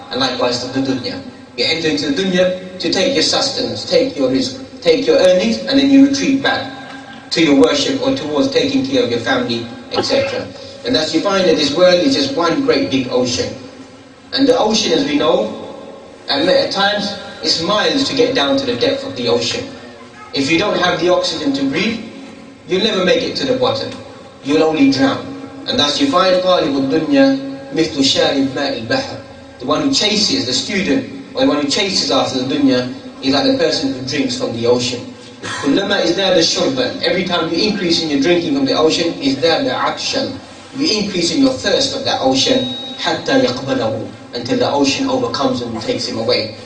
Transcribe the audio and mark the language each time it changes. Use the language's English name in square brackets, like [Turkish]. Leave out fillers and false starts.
[English] And likewise to the dunya. You enter into the dunya to take your sustenance, take your risk, take your earnings, and then you retreat back to your worship or towards taking care of your family, etc. And thus you find that this world is just one great big ocean. And the ocean, as we know, at times, it's miles to get down to the depth of the ocean. If you don't have the oxygen to breathe, you'll never make it to the bottom. You'll only drown. And thus you find [Arabic] طالب الدنيا مثل شارب ماء البحر. [English] The one who chases, the student, or the one who chases after the dunya, is like the person who drinks from the ocean. [Arabic] كلما ازداد الشربا. [English] Every time you increase in your drinking from the ocean, [Arabic] ازداد عطشا. [English] You increase in your thirst of that ocean [Arabic] حتى يقبله, [English] until the ocean overcomes him and takes him away.